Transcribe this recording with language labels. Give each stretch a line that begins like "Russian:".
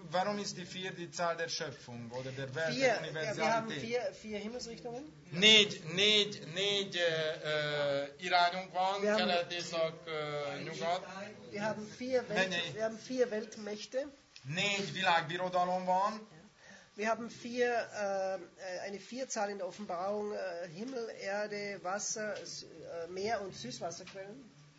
German: Warum ist die 4 die Zahl der Schöpfung oder der Welt, der Universalität? Ja, wir haben 4 Himmelsrichtungen.
Hungarian: Négy irányunk van, kelet, észak, nyugat.
German: Wir haben 4 Weltmächte.
Hungarian: Négy világbirodalom van.
German: Wir haben 4 eine Vierzahl in der Offenbarung: Himmel, Erde, Wasser, Meer und Süßwasserquellen.